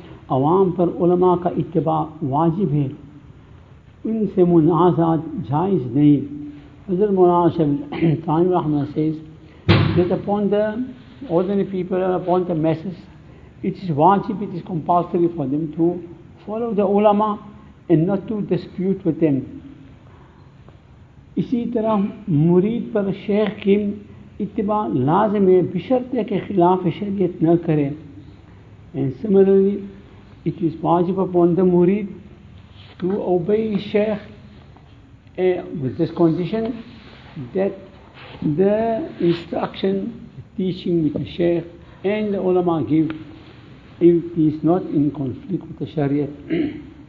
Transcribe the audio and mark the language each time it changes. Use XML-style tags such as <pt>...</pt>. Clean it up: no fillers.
<ur>عوام پر علماء کا اتباع واجب ہے، ان سے منازعات جائز نہیں.</ur> <en>حضرت مولانا شیخ طاہر رحمہ says that upon the ordinary people and upon the masses it is واجب, it is compulsory for them to follow the علماء and not to dispute with them.</en> <ur>اسی طرح مرید پر شیخ کی اتباع لازم ہے بشرطے کے خلاف شریعت نہ کرے.</ur> <en>And similarly, it is wajib upon the murid to obey Shaykh with this condition that the instruction, the teaching which the Shaykh and the ulama give, if it is not in conflict with the Shariat.</en>